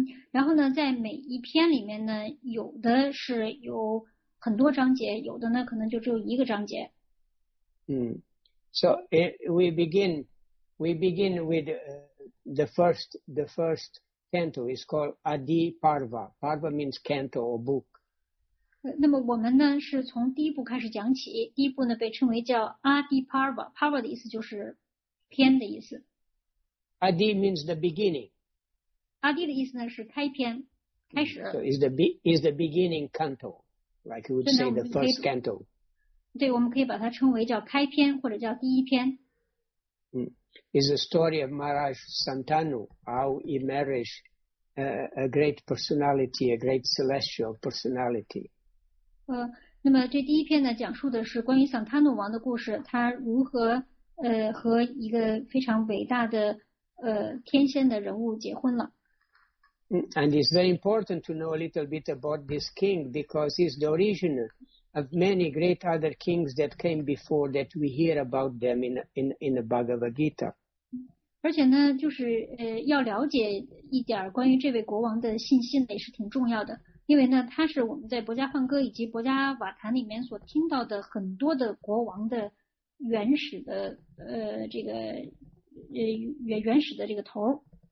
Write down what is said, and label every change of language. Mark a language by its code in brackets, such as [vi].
[zh] 然后呢，在每一篇里面呢，有的是有很多章节，有的呢可能就只有一个章节。 [en] So we begin with the first canto is called Adi Parva. Parva means canto or book. [zh] 那么我们呢是从第一部开始讲起，第一部呢被称为叫 Adi Parva. Parva 的意思就是篇的意思。 [en] Adi means the beginning. [zh] Adi 的意思呢是开篇，开始。 [en] So is the beginning canto, like you would say the first canto. [zh] 对，我们可以把它称为叫开篇或者叫第一篇。 [en] Is the story of Maharaj Santanu, how he married a great personality, a great celestial personality. [zh] 那么这第一篇呢，讲述的是关于桑塔努王的故事，他如何和一个非常伟大的天仙的人物结婚了。 [en] And it's very important to know a little bit about this king because he's the origin of many great other kings that came before that we hear about them in the Bhagavad Gita. [zh] 而且呢，就是要了解一点关于这位国王的信息也是挺重要的，因为呢，他是我们在《博迦梵歌》以及《博迦瓦坛》里面所听到的很多的国王的原始的这个头。